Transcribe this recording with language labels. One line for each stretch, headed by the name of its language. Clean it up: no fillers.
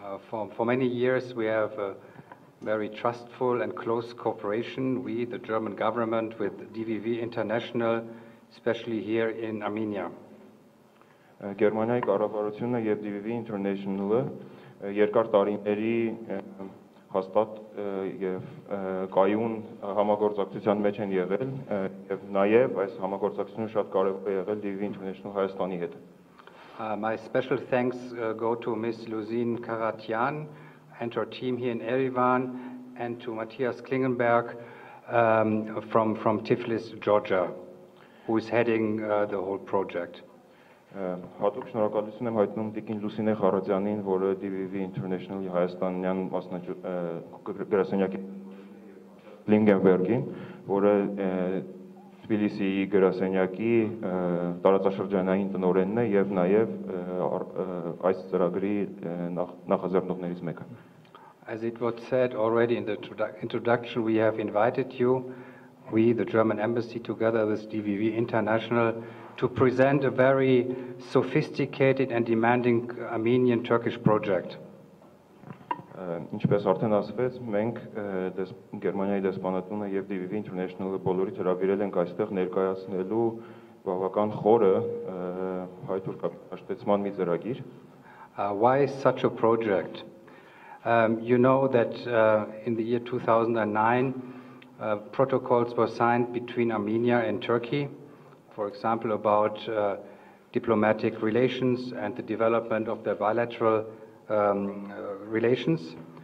English: For many years, we have a very trustful and close cooperation, we, the German government, with DVV International, especially here in Armenia.
Armenian: Գերմանիայի կառավարությունը և DVV International-ը երկար տարիների հաստատ և կայուն համագործակցության մեջ են եղել, և նաև այս համագործակցությունը շատ կարևոր է եղել DVV International Հայաստանի հետ։
English: My special thanks go to Ms. Luzine Karatyan and her team here in Erivan, and to Matthias Klingenberg from Tiflis, Georgia, who is heading the whole project.
Armenian: Հատուկ շնորհակալություն եմ հայտնում Տիկին Լուսինե Խարաձյանին, որը DVV International-ի Հայաստանյան գրասենյակի Լինգենբերգին, որը Թբիլիսիի գրասենյակի տարածաշրջանային տնօրենն է, և նաև այս ծրագրի նախաձեռնողներից մեկը։
English: As it was said already in the introduction, we have invited you, we, the German Embassy, together with DVV International, to present a very sophisticated and demanding Armenian-Turkish project.
Armenian: ինչպես արդեն ասվեց, մենք Գերմանիայի դեսպանատունը եւ DVV International-ը բոլորի հրավիրել ենք այստեղ ներկայացնելու բավական խորը հայ-թուրքաշտեցման մի ծրագիր.
English: Why such a project? You know that in the year 2009 protocols were signed between Armenia and Turkey, for example about diplomatic relations and the development of their bilateral relations.